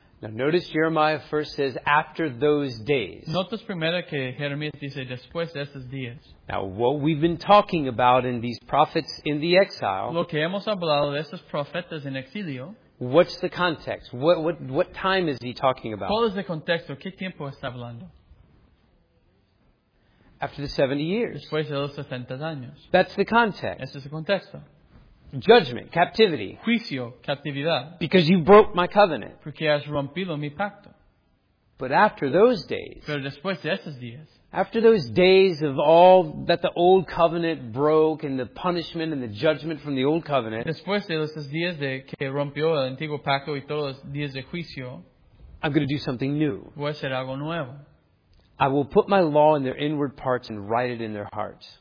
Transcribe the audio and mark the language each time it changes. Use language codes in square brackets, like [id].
[en] Now notice Jeremiah first says, after those days. [es] Notas primero que Jeremías dice, después de esos días. [en] Now what we've been talking about in these prophets in the exile. [es] Lo que hemos hablado de estos profetas en exilio. [en] What's the context? What time is he talking about? [es] ¿Cuál es el contexto? ¿Qué tiempo está hablando? [en] After the 70 years. [es] Después de los 70 años. [en] That's the context. [es] Ese es el contexto. [en] Judgment, captivity. [es] Juicio, captividad. [en] Because you broke my covenant. [es] Porque has rompido mi pacto. [en] But after those days. [es] Pero después de esos días. [en] After those days of all that the old covenant broke and the punishment and the judgment from the old covenant. [es] Después de esos días de que rompió el antiguo pacto y todos los días de juicio. [en] I'm going to do something new. [es] Voy a hacer algo nuevo. [en] I will put my law in their inward parts and write it in their hearts.